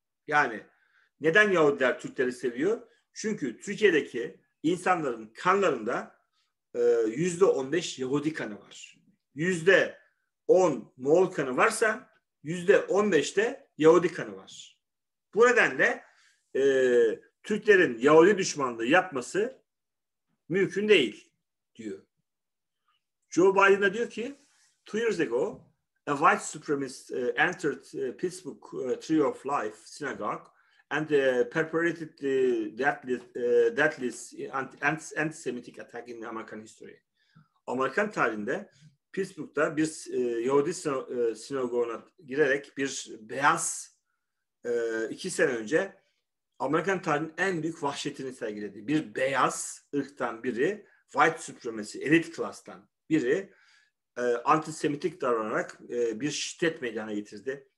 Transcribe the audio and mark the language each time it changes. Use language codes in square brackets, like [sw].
[tr] Yani neden Yahudiler Türkleri seviyor? Çünkü Türkiye'deki insanların kanlarında %15 Yahudi kanı var. %10 Moğol kanı varsa %15 de Yahudi kanı var. Bu nedenle Türklerin Yahudi düşmanlığı yapması mümkün değil diyor. Joe Biden'a diyor ki [en] 2 years ago a white supremacist entered Pittsburgh Tree of Life synagogue and perpetrated the deadliest anti-Semitic attack in American history. [tr] Amerikan tarihinde Pittsburgh'da bir Yahudi sinagoguna girerek bir beyaz 2 sene önce Amerikan tarihinin en büyük vahşetini sergiledi. Bir beyaz ırktan biri, [en] white supremacy, [tr] elit klastan biri antisemitik davranarak bir şiddet meydana getirdi.